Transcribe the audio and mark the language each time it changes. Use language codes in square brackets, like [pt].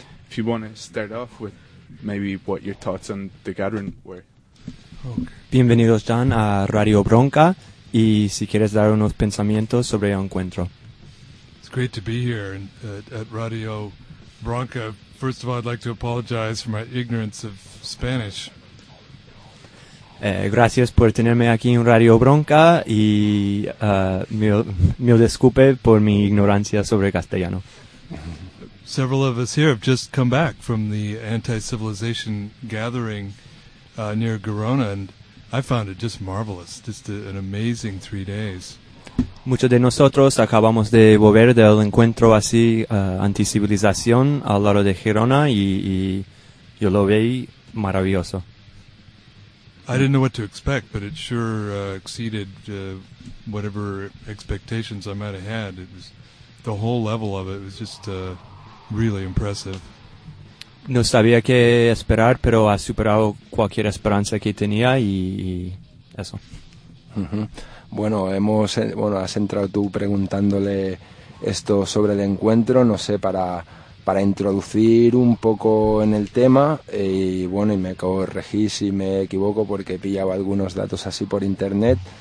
[en] If you want to start off with maybe what your thoughts on the gathering were. [es] Okay. Bienvenidos, John, a Radio Bronca. Y si quieres dar unos pensamientos sobre el encuentro. [en] It's great to be here at Radio Bronca. First of all, I'd like to apologize for my ignorance of Spanish. [es] Gracias por tenerme aquí en Radio Bronca y me disculpe por mi ignorancia sobre castellano. [en] Several of us here have just come back from the anti-civilization gathering near Girona, and I found it just marvelous, just an amazing 3 days. [es] Muchos de nosotros acabamos de volver del encuentro así anticivilización al lado de Girona y yo lo vi maravilloso. [en] I didn't know what to expect, but it sure exceeded whatever expectations I might have had. It was the whole level of it was just really impressive. [es] No sabía qué esperar, pero ha superado cualquier esperanza que tenía y eso. Mm-hmm. Bueno, has entrado tú preguntándole esto sobre el encuentro, no sé, para introducir un poco en el tema, y bueno, y me corregí si me equivoco porque pillaba algunos datos así por internet.